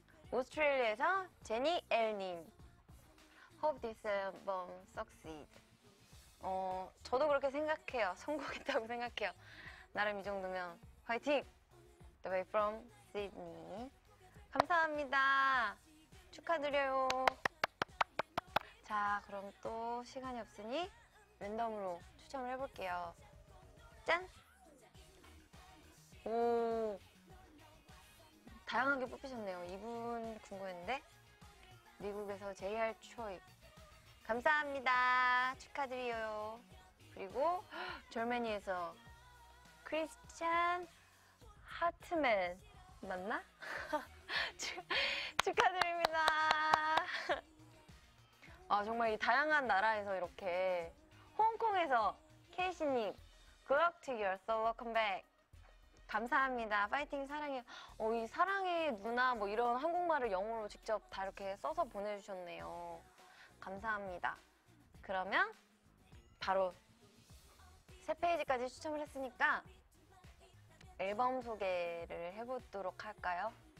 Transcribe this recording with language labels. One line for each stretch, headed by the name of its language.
Korean: 오스트레일리아에서 제니 엘님.
English: Hope this album succeed.
Korean: 저도 그렇게 생각해요. 성공했다고 생각해요. 나름 이 정도면 화이팅!
English: The way from Sydney.
Korean: 감사합니다. 축하드려요. 자, 그럼 또 시간이 없으니 랜덤으로 추첨을 해볼게요. 짠! 오, 다양하게 뽑히셨네요. 이분 궁금했는데. 미국에서 JR 초이. 감사합니다. 축하드려요. 그리고 젤메니에서 크리스찬 하트맨. 맞나? 축하드립니다. 아, 정말 이 다양한 나라에서 이렇게. 홍콩에서 케이시님.
English: Good luck to your solo comeback.
Korean: 감사합니다. 파이팅. 사랑해. 이 사랑해 누나 뭐 이런 한국말을 영어로 직접 다 이렇게 써서 보내주셨네요. 감사합니다. 그러면 바로 새 페이지까지 추첨을 했으니까 앨범 소개를 해보도록 할까요?